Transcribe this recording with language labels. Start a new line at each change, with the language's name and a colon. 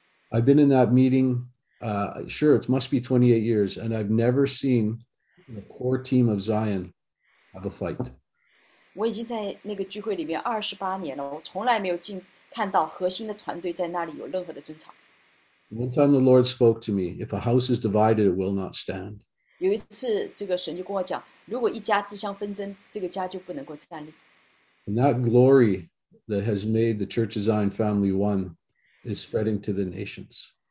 English: I've been in that meeting, sure, it must be 28 years, and I've never seen the core team of Zion have a fight.
Chinese: 我已经在那个聚会里面28年了，我从来没有看到核心的团队在那里有任何的争吵。
English: One time the Lord spoke to me, if a house is divided, it will not stand.
Chinese: 有一次这个神就跟我讲，如果一家自相纷争，这个家就不能够站立。
English: And that glory that has made the Church of Zion family one is spreading to the nations.